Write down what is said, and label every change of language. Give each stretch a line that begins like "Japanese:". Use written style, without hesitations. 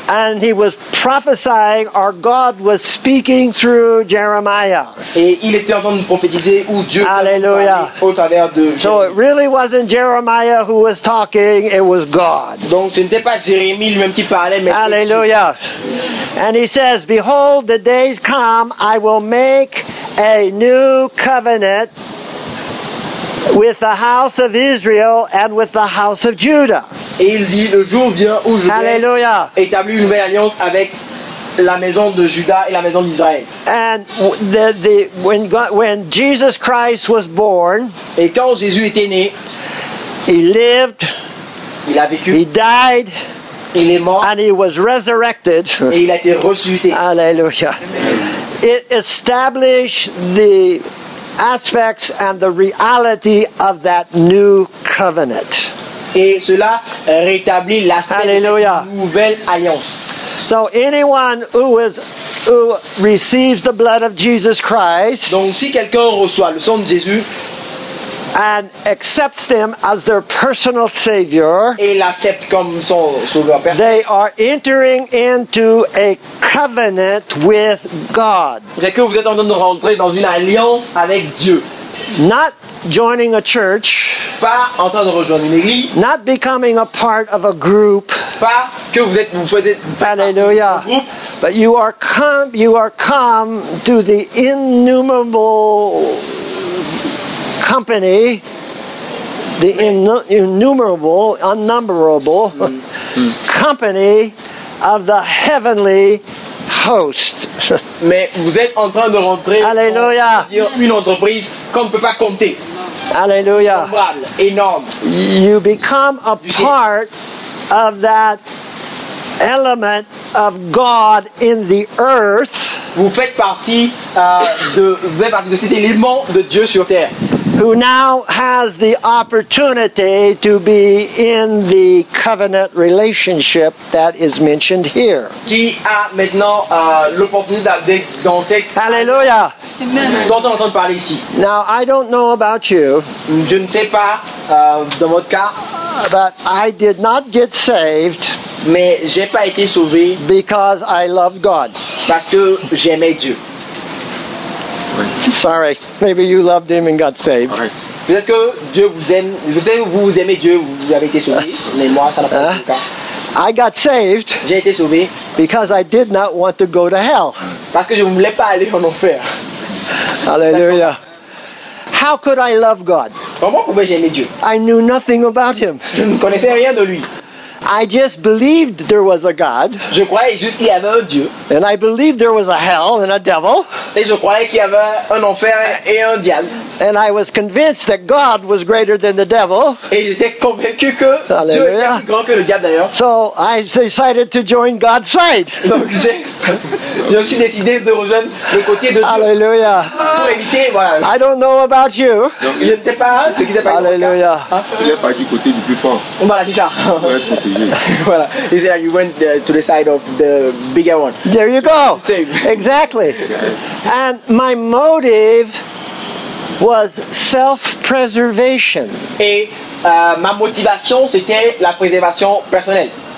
English: And he was prophesying, or God was speaking through Jeremiah.
French: Et il était en train de prophétiser où Dieu parlait au travers de Jérémie.
English: So it really wasn't Jeremiah who was talking; it was God.
French: Donc ce n'était pas Jérémie lui-même qui parlait, mais Alléluia.
English: And he says, "Behold, the days come; I will make a new covenant with the house of Israel and with the house of Judah."
French: Et il dit, le jour vient où je vais établir une nouvelle alliance avec la maison de Juda et la maison d'Israël.
English: And when Jesus Christ was born,
French: et quand Jésus était né,
English: he lived,
French: il a vécu,
English: he died,
French: il est mort,
English: and he was resurrected,
French: et il a été ressuscité. Alléluia.
English: It established the aspects and the reality of that new covenant.
French: Et cela rétablit l'aspect de cette nouvelle alliance.
English: So anyone who receives the blood of Jesus Christ,
French: donc si quelqu'un reçoit le sang de Jésus,
English: and accepts them as their personal savior,
French: et l'accepte comme son sauveur personnel,
English: they are entering into a covenant with God.
French: C'est que vous êtes en train de rentrer dans une alliance avec Dieu.
English: Not joining a church,
French: pas en train de rejoindre une église,
English: not becoming a part of a group,
French: pas que vous êtes, vous faites partie d'un groupe,
English: but you are come to the innumerable company, the innumerable, unnumberable company of the heavenly host.
French: Mais vous êtes en train de rentrer Alléluia. Dans une entreprise qu'on ne peut pas compter. Alléluia. Énorme.
English: You become a part of that element of God in the earth.
French: Vous faites partie de cet élément de Dieu sur terre.
English: Who now has the opportunity to be in the covenant relationship that is mentioned here.
French: Qui a maintenant l'opportunité d'être dans cette... Alléluia. Dont on entend parler ici.
English: Now, I don't know about you.
French: Je ne sais pas dans votre cas.
English: But I did not get saved.
French: Mais j'ai pas été sauvé.
English: Because I loved God.
French: Parce que j'aimais Dieu.
English: Sorry, maybe you loved him and got saved.
French: Peut-être que Dieu vous aime, peut-être que vous aimez Dieu, vous avez été sauvé, mais moi ça n'a pas été le cas.
English: I got saved.
French: J'ai été sauvé.
English: Because I did not want to go to hell.
French: Parce que je ne voulais pas aller en enfer.
English: Alléluia. How could I love God?
French: Comment pouvais-je aimer Dieu?
English: I knew nothing about him.
French: Je ne connaissais rien de lui.
English: I just believed there was a God.
French: Je croyais juste qu'il y avait un Dieu.
English: And I believed there was a hell and a devil.
French: Et je croyais qu'il y avait un enfer et un diable.
English: And I was convinced that God was greater than the devil.
French: Et j'étais convaincu que Alléluia. Dieu était plus grand que le diable d'ailleurs.
English: So I decided to join God's side.
French: Donc j'ai aussi décidé de rejoindre le côté de Dieu. Alléluia. Pour éviter, voilà.
English: I don't know about you.
French: Donc, je ne sais pas ce qui s'est passé. Alléluia. Il est parti du côté du plus fort. On va la dire ça. Voilà.
English: He said you went to the side of the bigger one. There you go. Same. Exactly. And my motive was self-preservation.
French: Et ma motivation c'était la préservation personnelle.